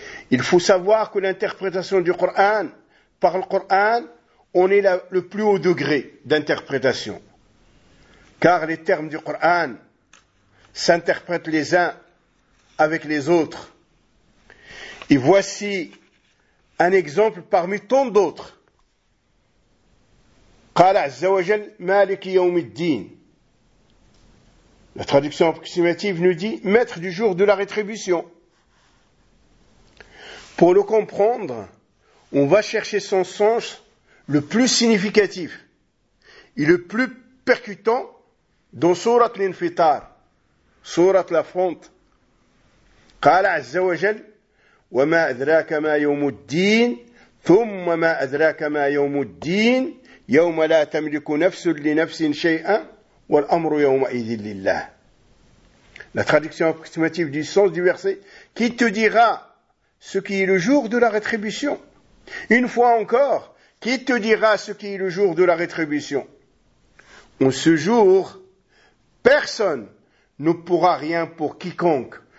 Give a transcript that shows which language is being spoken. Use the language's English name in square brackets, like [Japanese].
[French] Il faut savoir que l'interprétation du Coran par le Coran, on est le plus haut degré d'interprétation. Car les termes du Coran s'interprètent les uns avec les autres. Et voici un exemple parmi tant d'autres. [Arabic] قال عز وجل مالك يوم الدين. [French] La traduction approximative nous dit maître du jour de la rétribution. Pour le comprendre, on va chercher son sens le plus significatif et le plus percutant dans Sourate l'Infitar, Sourate la Fonte. [Arabic] قال عز وجل وما أدراك ما يوم الدين ثم ما أدراك ما يوم الدين يوم لا تملك نفس لنفس شيئا والأمر يومئذ لله. [French] La traduction approximative du sens du verset, qui te dira ce qui est le jour de la rétribution. Une fois encore, qui te dira ce qui est le jour de la rétribution? En ce jour, personne ne pourra rien pour quiconque.